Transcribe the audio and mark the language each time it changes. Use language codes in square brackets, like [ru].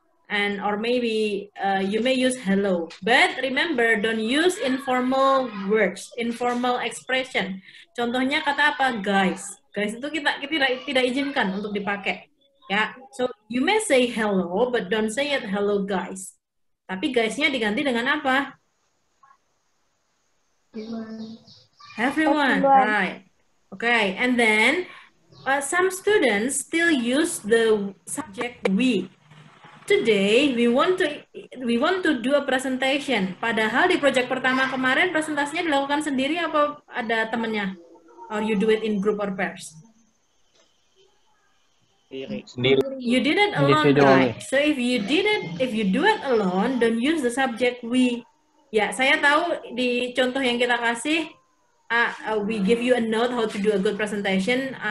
[en] And or maybe you may use hello. But remember, don't use informal words, informal expression. [id] Contohnya kata apa? Guys. Guys itu kita tidak izinkan untuk dipakai. Ya. [en] So, you may say hello, but don't say it hello guys. [id] Tapi guys-nya diganti dengan apa? [en] Everyone. Everyone, right. Okay, and then some students still use the subject we. Today we want to do a presentation. [id] Padahal di project pertama kemarin presentasinya dilakukan sendiri apa ada temannya? [en] Or you do it in group or pairs? [id] Sendiri. [en] You did it alone, right? So if you do it alone, don't use the subject we. Ya, saya tahu di contoh yang kita kasih we give you a note how to do a good presentation.